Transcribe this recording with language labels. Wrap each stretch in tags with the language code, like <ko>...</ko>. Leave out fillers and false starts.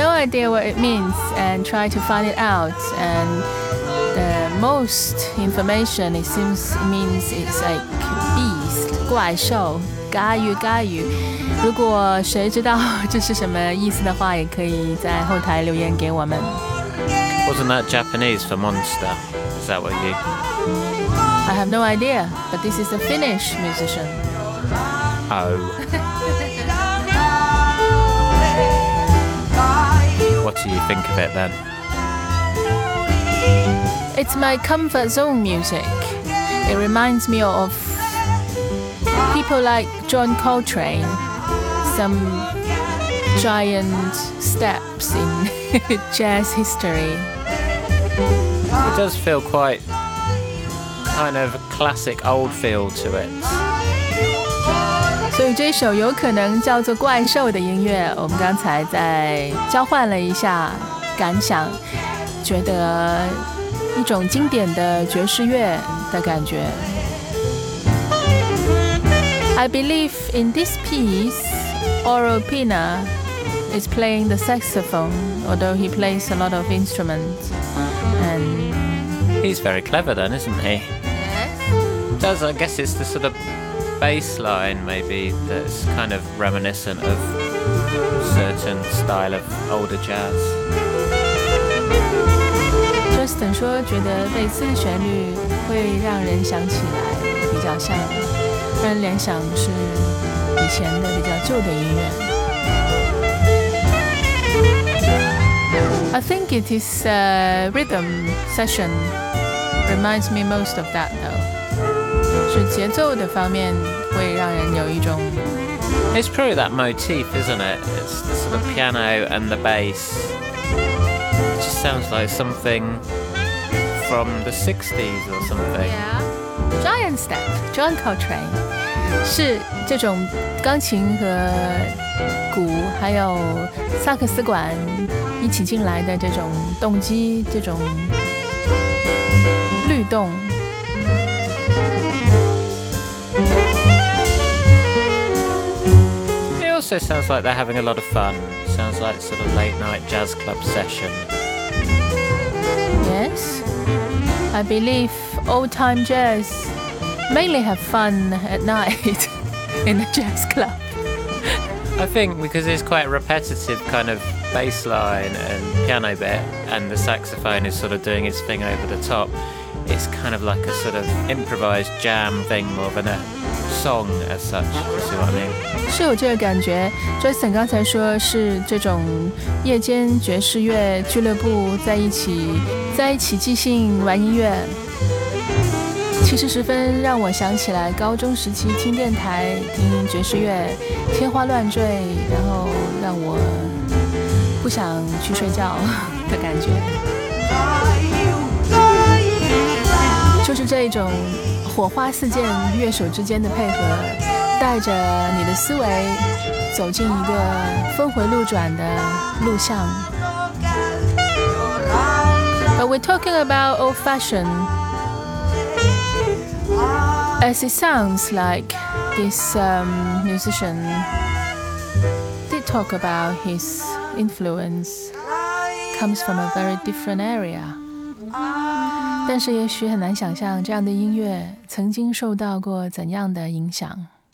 <en>Idea what it means and try to find it out. And the most information it seems means it's like beast, 怪兽 Gayu, Gayu.</en> <zh>如果谁知道这是什么意思的话，也可以在后台留言给我们。</zh> <en>Wasn't that Japanese for monster? Is that what you? I have no idea, but this is a Finnish musician. Oh. What do you think of it then? It's my comfort zone music. It reminds me of people like John Coltrane, some giant steps in jazz history. It does feel quite kind of classic old feel to it.</en> <zh>所以这首有可能叫做怪兽的音乐，我们刚才在交换了一下感想，觉得一种经典的爵士乐的感觉。</zh> <en>I believe in this piece Oiro Pena is playing the saxophone, although he plays a lot of instruments, and he's very clever then, isn't he? Yes. Does, I guess it's the sort ofBass line, maybe, that's kind of reminiscent of certain style of older jazz.</en> <zh>Justin 说觉得贝斯旋律会让人想起来比较像，让人联想是以前的比较旧的音乐。</zh> <en>I think it is a rhythm section reminds me most of that, though.</en> <zh>是节奏的方面。会让人有一种</zh> <en>It's probably that motif, isn't it? It's the sort of piano and the bass. It just sounds like something from the 60s or something. Yeah. Giant Step, John Coltrane.</en> <zh>是这种钢琴和鼓还有萨克斯管一起进来的这种动机，这种律动。</zh> <en>It also sounds like they're having a lot of fun. Sounds like sort of late night jazz club session. Yes. I believe old time jazz mainly have fun at night in a jazz club. I think because it's quite a repetitive kind of bass line and piano bit, and the saxophone is sort of doing its thing over the top, it's kind of like a sort of improvised jam thing more than a... Song as such, you see what I mean?</en> <zh>是有这个感觉。 Justin 刚才说是这种夜间爵士乐俱乐部在一起即兴玩音乐，其实十分让我想起来高中时期听电台听爵士乐，天花乱坠，然后让我不想去睡觉的感觉。就是这一种。火花四溅，乐手之间的配合，带着你的思维走进一个峰回路转的录像。</zh> <en>But we're talking about old-fashioned. As it sounds like this musician did talk about his influence comes from a very different area.</en> <zh>但是也许很难想象这样的音乐曾经受到过怎样的影响。</zh>